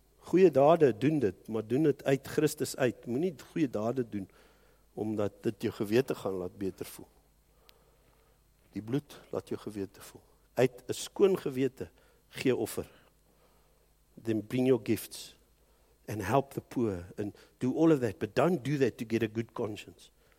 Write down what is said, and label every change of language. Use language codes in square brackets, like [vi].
[af] Goeie dade doen dit, maar doen dit uit Christus uit. Moenie goeie dade doen omdat dit jou gewete gaan laat beter voel. Die bloed laat jou gewete voel. Uit 'n skoon gewete gee offer. [en] Then bring your gifts. And help the poor and do all of that. But don't do that to get a good conscience.